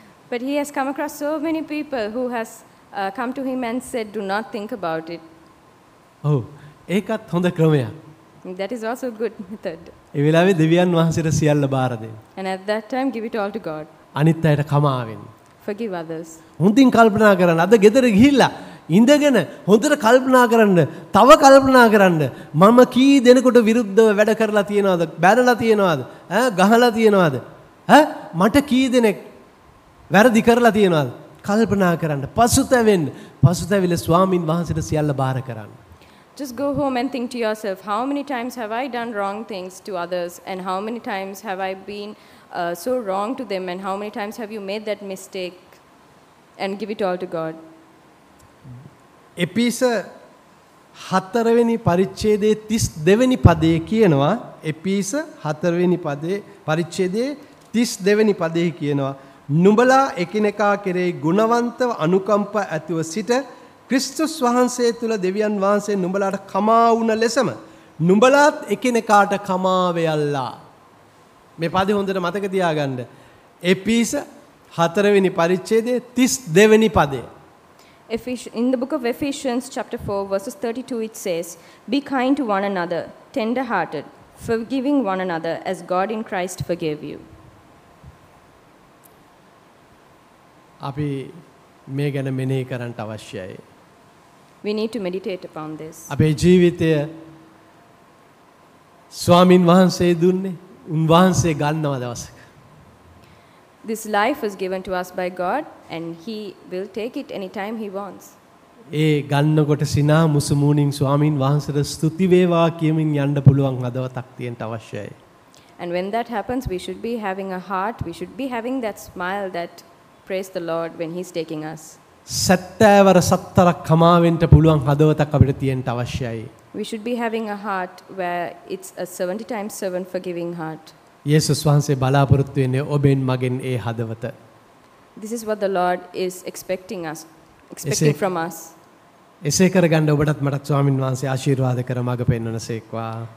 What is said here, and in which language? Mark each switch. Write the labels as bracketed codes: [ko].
[en] But he has come across so many people who has come to him and said do not think about it. [si] Oh, ඒකත් හොඳ ක්‍රමයක්. [en] That is also a good method. [si] ඒ වෙලාවේ දෙවියන් වහන්සේට සියල්ල බාර දෙන්න. [en] And at that time give it all to God. [si] අනිත් අයට කමාවෙන්. [en] Forgive others. [si] හොඳින් කල්පනා කරන්න. අද ගෙදර ගිහිල්ලා ඉඳගෙන හොඳට කල්පනා කරන්න තව කල්පනා කරන්න මම කී දෙනෙකුට විරුද්ධව වැඩ කරලා තියනවද බැනලා තියනවද ගහලා තියනවද මට කී දෙනෙක් වැරදි කරලා තියනවද කල්පනා කරන්න පසුතැවෙන්න පසුතැවිලි ස්වාමින් වහන්සේට සියල්ල බාර කරන්න [en] Just go home and think to yourself how many times have I done wrong things to others and how many times have I been so wrong to them and how many times have you made that mistake and give it all to God [si] එපිස 4 වෙනි පරිච්ඡේදයේ 32 වෙනි පදයේ කියනවා එපිස 4 වෙනි පදයේ පරිච්ඡේදයේ 32 වෙනි පදයේ කියනවා නුඹලා එකිනෙකා කෙරෙහි ගුණවන්තව අනුකම්ප ඇතුව සිට ක්‍රිස්තුස් වහන්සේ තුළ දෙවියන් වහන්සේ නුඹලාට කමා වුණ ලෙසම නුඹලාත් එකිනෙකාට කමා වෙයල්ලා මේ පදේ හොඳට මතක තියාගන්න එපිස 4 වෙනි පරිච්ඡේදයේ 32 වෙනි පදයේ [en] In the book of Ephesians chapter 4 verses 32 it says be kind to one another tender hearted forgiving one another as God in Christ forgave you [si] අපි මේ ගැන මෙනෙහි කරන්න අවශ්‍යයි. [en] We need to meditate upon this. [si] අපේ ජීවිතය ස්වාමින් වහන්සේ දුන්නේ උන්වහන්සේ ගන්නව දවසක. [en] This life was given to us by God and he will take it anytime he wants. [si] ඒ ගන්නකොට සිනා මුසු මූණින් ස්වාමින් වහන්සේට ස්තුති වේවා කියමින් යන්න පුළුවන් හදවතක් තියෙන්න අවශ්‍යයි. [en] And when that happens we should be having a heart, we should be having that smile that praise the Lord when he's taking us. [si] සත්තවර සත්තරක් කමාවෙන්ට පුළුවන් හදවතක් අපිට තියෙන්න අවශ්‍යයි. [en] We should be having a heart where it's a 70 times 7 forgiving heart. [si] යේසුස් වහන්සේ බලාපොරොත්තු වෙන්නේ ඔබෙන් මගෙන් ඒ හදවත. [en] This is what the Lord is expecting from us. [si] එසේ කරගන්න ඔබටත් මටත් ස්වාමින් වහන්සේ ආශිර්වාද කර මඟ පෙන්වන සේක්වා.